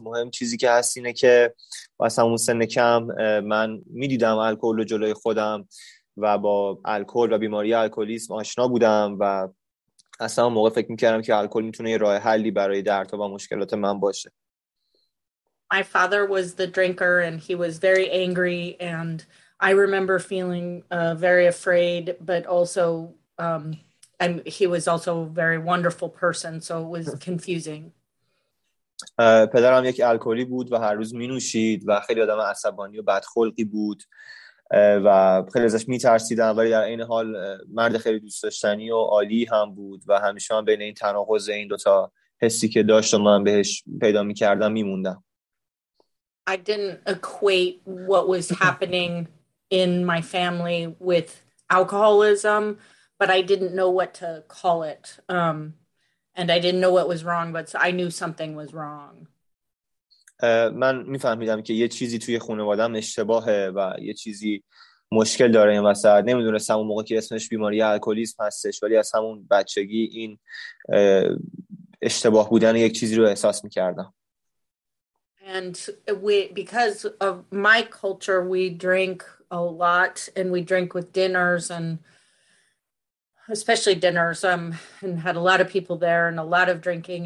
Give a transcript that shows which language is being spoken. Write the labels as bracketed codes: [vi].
[fa] مهم چیزی که هست اینه که با همون سن کم من میدیدم الکل رو جلوی خودم و با الکل و بیماری الکلیسم آشنا بودم و اصلا موقع فکر میکردم که الکل میتونه یه راه حلی برای دردها و مشکلات من باشه. [en] My father was the drinker and he was very angry and I remember feeling very afraid, but also, and he was also a very wonderful person, so it was confusing. [fa] پدرم یک الکلی بود و هر روز می نوشید و خیلی آدم عصبانی و بدخلقی بود و خیلی ازش می ترسیدم، ولی در این حال مرد خیلی دوست داشتنی و عالی هم بود و همیشه هم بین این تناقض این دوتا حسی که داشت و من بهش پیدا می کردم می موندم. [en] I didn't equate what was happening in my family with alcoholism, but I didn't know what to call it. And I didn't know what was wrong, but I knew something was wrong. [fa] من میفهمیدم که یه چیزی توی خانواده‌ام اشتباهه و یه چیزی مشکل داره این وسط. نمیدونستم اون موقع که اسمش بیماری الکلیسم هستش، ولی از همون بچگی این اشتباه بودن یک چیزی رو احساس میکردم. [en] And we, because of my culture, we drink a lot and we drink with dinners and especially dinners, and had a lot of people there and a lot of drinking.